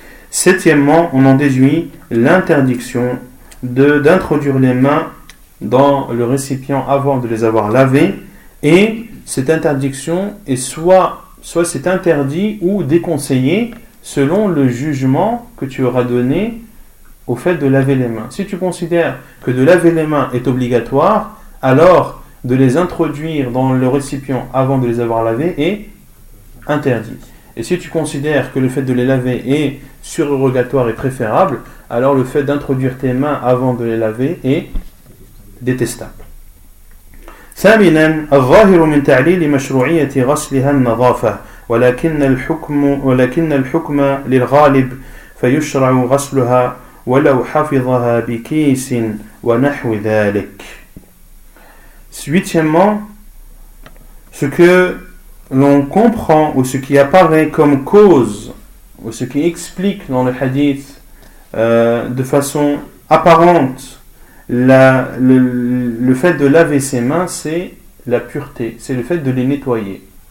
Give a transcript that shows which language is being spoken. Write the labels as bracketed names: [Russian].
[French] Septièmement, on en déduit l'interdiction d'introduire les mains dans le récipient avant de les avoir lavées, et cette interdiction est soit c'est interdit ou déconseillé selon le jugement que tu auras donné au fait de laver les mains. Si tu considères que de laver les mains est obligatoire, alors de les introduire dans le récipient avant de les avoir lavées est interdit. Et si tu considères que le fait de les laver est surérogatoire et préférable, alors le fait d'introduire tes mains avant de les laver est détestable. [Arabic] ثامناً الظاهر من تعليل مشروعية غسلها النظافة ولكن الحكم للغالب فيشرع غسلها ولو حفظها بكيس ونحو ذلك. [French] Huitièmement, ce que l'on comprend, ou ce qui apparaît comme cause, ou ce qui explique dans le hadith de façon apparente le fait de laver ses mains, c'est la pureté, c'est le fait de les nettoyer.